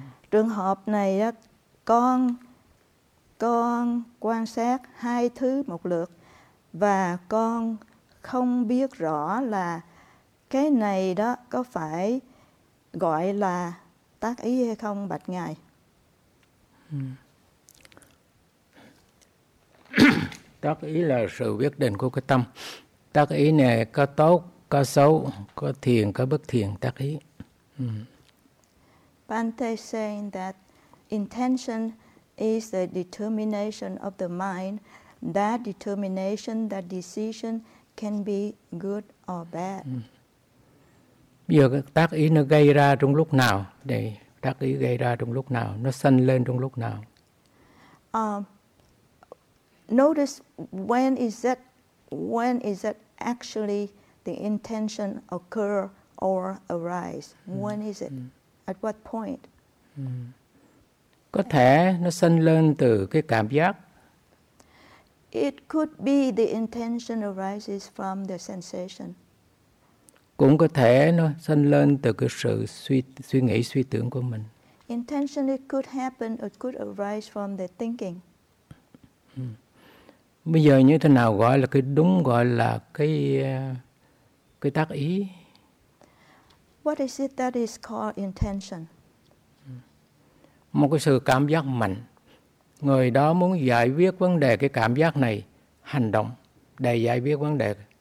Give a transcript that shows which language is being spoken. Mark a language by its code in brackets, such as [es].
[vi] Trường hợp này con quan sát hai thứ một lượt và con không biết rõ là cái này đó có phải gọi là tác ý hay không, bạch ngài. Tác ý là sự quyết định của cái tâm. Tác ý này có tốt, có xấu, có thiền, có bất thiền, tác ý. [en] Bhante saying that intention is the determination of the mind. That determination, that decision can be good or bad. [vi] Bây giờ tác ý nó gây ra trong lúc nào? Đây, tác ý gây ra trong lúc nào? Nó sanh lên trong lúc nào? [en] Notice when is that actually the intention occur or arise? When is it? At what point? [vi] Có thể nó sanh lên từ cái cảm giác. [en] It could be the intention arises from the sensation. [vi] Cũng có thể nó sanh lên từ cái sự suy nghĩ, suy tưởng của mình. [en] Intention, it could happen, it could arise from the thinking. [vi] Bây giờ như thế nào gọi là cái đúng, gọi là cái tác ý? [en] What is it that is called intention? [vi] Một cái sự cảm giác mạnh. Người đó muốn giải quyết vấn đề cái cảm giác này, hành động để giải quyết vấn đề.